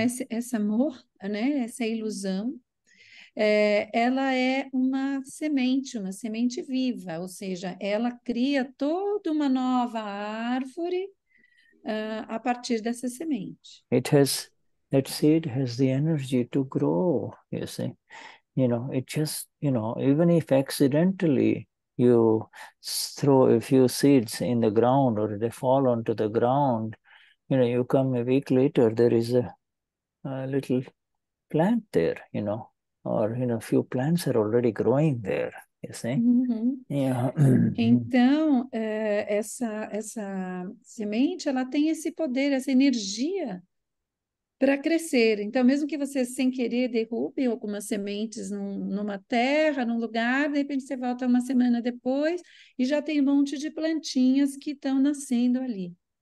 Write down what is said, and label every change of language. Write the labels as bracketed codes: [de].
[pt] Esse amor, né, essa ilusão, ela é uma semente viva, ou seja, ela cria toda uma nova árvore a partir dessa semente. [en] That seed has the energy to grow, you see. You know, it just, you know, even if accidentally you throw a few seeds in the ground or they fall onto the ground, you know, you come a week later, there is a little plant there, you know, or, you know, a few plants are already growing there, you see. Mm-hmm. Yeah. [pt] Então, essa semente, ela tem esse poder, essa energia para crescer. Então, mesmo que você sem querer derrube algumas sementes numa terra, num lugar, de repente você volta uma semana depois e já tem um monte de plantinhas que estão nascendo ali.